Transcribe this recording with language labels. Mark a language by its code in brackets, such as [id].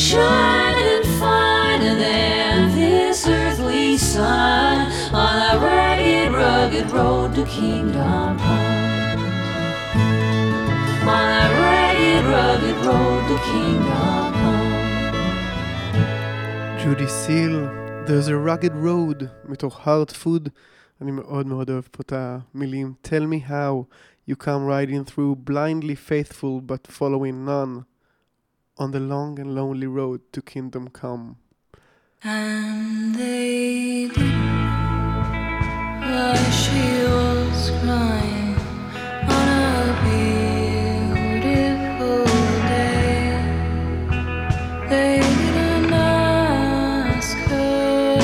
[en] Shining finer than this earth sun, on a ragged, rugged road to kingdom come. On a ragged, rugged road to kingdom come. [he] Judy Seal, There's a Rugged Road, מתוך Heart Food. אני מאוד מאוד אוהב פה את המילים. [en] Tell me how you come riding through, blindly faithful but following none, on the long and lonely road to kingdom come. And they did, while she was crying on a beautiful day, they didn't ask her.